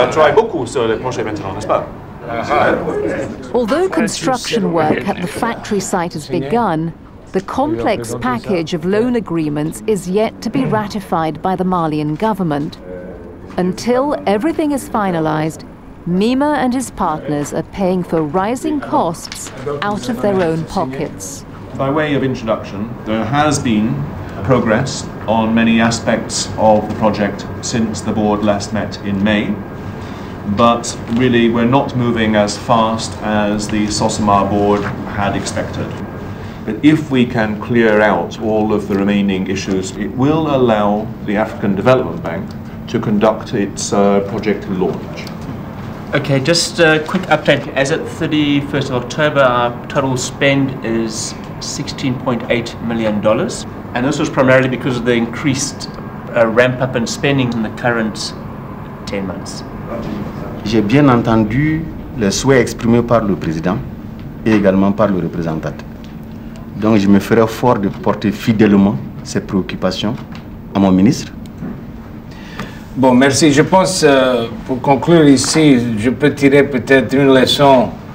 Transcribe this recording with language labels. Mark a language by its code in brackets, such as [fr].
[fr] Il travaille beaucoup sur les projets maintenant, n'est-ce pas? [en] Although construction work at the factory site has begun, the complex package of loan agreements is yet to be ratified by the Malian government. Until everything is finalized, Mima and his partners are paying for rising costs out of their own pockets. By way of introduction, there has been progress on many aspects of the project since the board last met in May. But really, we're not moving as fast as the Sosuma board had expected. But if we can clear out all of the remaining issues, it will allow the African Development Bank to conduct its project launch. Okay, just a quick update. As at 31st of October, our total spend is $16.8 million. And this was primarily because of the increased ramp-up in spending in the current 10 months. [fr] J'ai bien entendu les souhaits exprimés par le président et également par le représentant. Donc je me ferai fort de porter fidèlement ces préoccupations à mon ministre. Bon, merci. Je pense, pour conclure ici, je peux tirer peut-être une leçon.